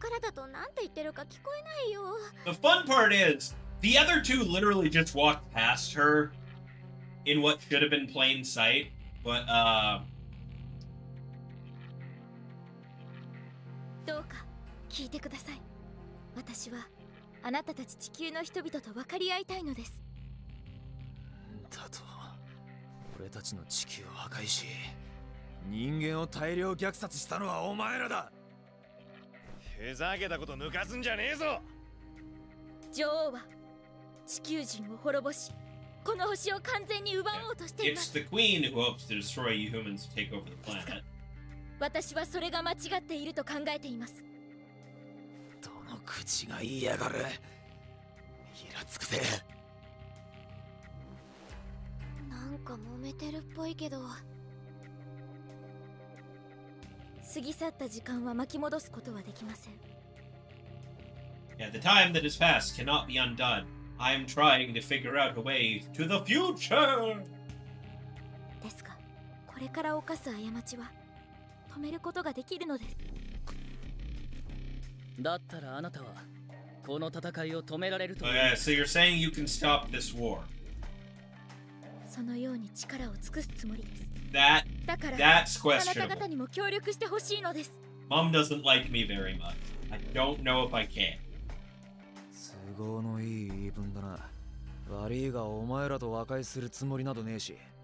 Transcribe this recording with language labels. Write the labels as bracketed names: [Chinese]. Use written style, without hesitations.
[English] The fun part is, the other two literally just walked past her in what should have been plain sight, but, [Japanese] どうか聞いてください。私はあなたたち地球の人々と分かり合いたいのです。だと、俺たちの地球を破壊し、人間を大量虐殺したのはお前らだ。ふざけたこと抜かすんじゃねえぞ。女王は地球人を滅ぼし、この星を完全に奪おうとしています。 [English] It's the queen who hopes to destroy you humans to take over the planet. [Japanese] 私はそれが間違っていると考えています。どの口が言いやがる。イラつくぜ。なんか揉めてるっぽいけど。過ぎ去った時間は巻き戻すことはできません。 [English] Yeah, the time that is past cannot be undone. I am trying to figure out a way to the future! [Japanese] ですが、これから犯す過ちは止めることができるのです。だったらあなたはこの戦いを止められると。 [English] Okay, so you're saying you can stop this war. [Japanese] そのように力を尽くすつもりです。 [English] That's questionable. [Japanese] あなた方にも協力してほしいのです。 [English] Mom doesn't like me very much. I don't know if I can. [Japanese] 都合のいい言い分だな。悪いがお前らと和解するつもりなどねえし。